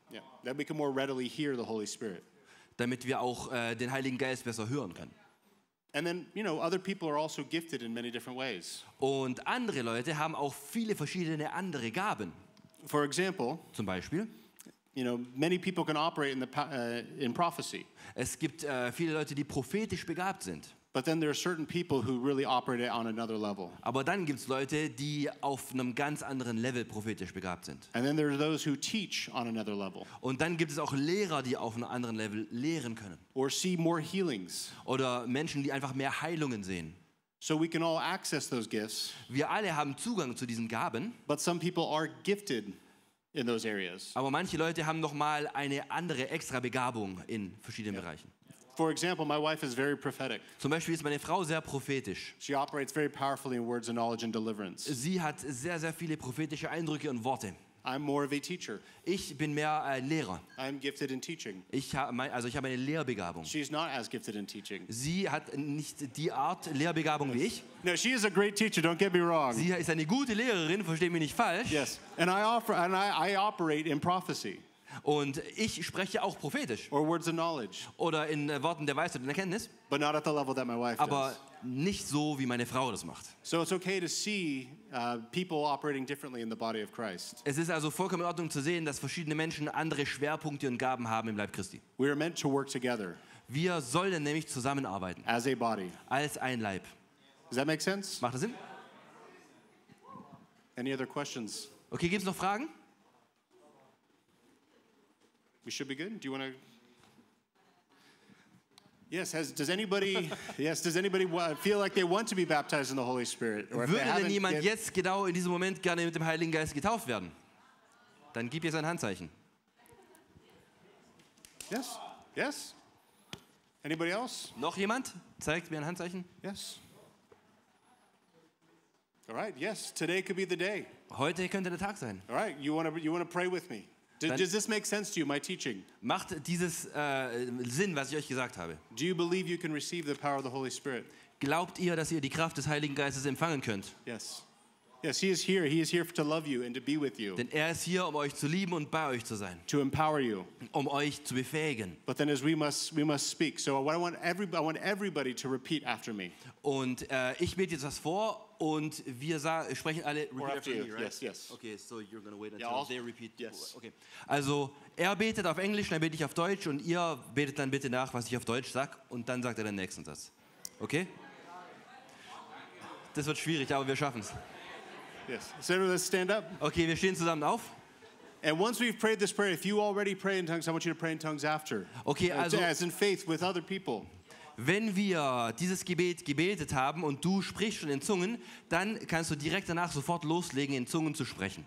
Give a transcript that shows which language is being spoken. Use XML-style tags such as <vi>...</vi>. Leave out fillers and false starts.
<en>Yeah. That we can more readily hear the Holy Spirit.</en> <de>Damit wir auch den Heiligen Geist besser hören können.</de> <en>And then, you know, other people are also gifted in many different ways.</en> <de>Und andere Leute haben auch viele verschiedene andere Gaben.</de> <en>For example,</en> <de>zum Beispiel,</de> <en>you know, many people can operate in prophecy.</en> <de>Es gibt viele Leute, die prophetisch begabt sind.</de> <en>But then there are certain people who really operate on another level.</en> <de>Aber dann gibt's Leute, die auf einem ganz anderen Level prophetisch begabt sind.</de> <en>And then there are those who teach on another level.</en> <de>Und dann gibt es auch Lehrer, die auf einem anderen Level lehren können.</de> <en>Or see more healings.</en> <de>Oder Menschen, die einfach mehr Heilungen sehen.</de> <en>So we can all access those gifts.</en> <de>Wir alle haben Zugang zu diesen Gaben.</de> <en>But some people are gifted in those areas.</en> <de>Aber manche Leute haben noch mal eine andere extra Begabung in verschiedenen Bereichen.</de> <en>For example, my wife is very prophetic.</en> <de>Zum Beispiel ist meine Frau sehr prophetisch.</de> <en>She operates very powerfully in words and knowledge and deliverance.</en> <de>Sie hat sehr, sehr viele prophetische Eindrücke und Worte.</de> <en>I'm more of a teacher.</en> <de>Ich bin mehr Lehrer.</de> <en>I'm gifted in teaching.</en> <de>Ich habe eine Lehrbegabung.</de> <en>She's not as gifted in teaching.</en> <de>Sie hat nicht die Art Lehrbegabung wie ich.</de> <en>No, she is a great teacher, don't get me wrong.</en> <de>Sie ist eine gute Lehrerin, versteh mich nicht falsch.</de> <en>Yes. And I operate in prophecy.</en> <de>Und ich spreche auch prophetisch.</de> <en>Or words of knowledge.</en> <de>Oder in Worten der Weisheit und Erkenntnis.</de> <en>But not at the level that my wife</en> <de>Aber</de> <en>does.</en> <de>Nicht so, wie meine Frau das macht.</de> <en>So it's okay to see people operating differently in the body of Christ.</en> <de>Es ist also vollkommen in Ordnung zu sehen, dass verschiedene Menschen andere Schwerpunkte und Gaben haben im Leib Christi.</de> <en>We are meant to work together.</en> <de>Wir sollen nämlich zusammenarbeiten.</de> <en>As a body.</en> <de>Als ein Leib.</de> <en>Does that make sense?</en> <de>Macht das Sinn?</de> <en>Any other questions?</en> <de>Okay, gibt's noch Fragen?</de> <en>We should be good. Do you want to? Yes. Does anybody feel like they want to be baptized in the Holy Spirit?</en> <de>Würde denn jemand jetzt genau in diesem Moment gerne mit dem Heiligen Geist getauft werden? Dann gib jetzt ein Handzeichen.</de> <en>Yes. Yes. Anybody else?</en> <de>Noch jemand? Zeigt mir ein Handzeichen.</de> <en>Yes. All right. Yes. Today could be the day.</en> <de>Heute könnte der Tag sein.</de> <en>All right. You want to pray with me? Does this make sense to you, my teaching?</en> <de>Macht dieses Sinn, was ich euch gesagt habe?</de> <en>Do you believe you can receive the power of the Holy Spirit?</en> <de>Glaubt ihr, dass ihr die Kraft des Heiligen Geistes empfangen könnt?</de> <en>Yes. Yes, he is here. He is here to love you and to be with you.</en> <de>Denn er ist hier, um euch zu lieben und bei euch zu sein.</de> <en>To empower you.</en> <de>Um euch zu befähigen.</de> <en>But then as we must speak. So what I want everybody to repeat after me.</en> <de>Und ich bete jetzt was vor Und wir sprechen alle</de> <en>repeat after you, right? Yes, yes. Okay, so you're going to wait until they repeat. Yes. Okay.</en> <de>Also, er betet auf Englisch, dann bete ich auf Deutsch und ihr betet dann bitte nach, was ich auf Deutsch sage und dann sagt er den nächsten Satz. Okay? Das wird schwierig, aber wir schaffen es.</de> <en>Yes. So everyone, let's stand up.</en> <de>Okay, wir stehen zusammen auf.</de> <en>And once we've prayed this prayer, if you already pray in tongues, I want you to pray in tongues after.</en> <de>Okay, also</de> <en>as in faith with other people.</en> <de>Wenn wir dieses Gebet gebetet haben und du sprichst schon in Zungen, dann kannst du direkt danach sofort loslegen, in Zungen zu sprechen.</de>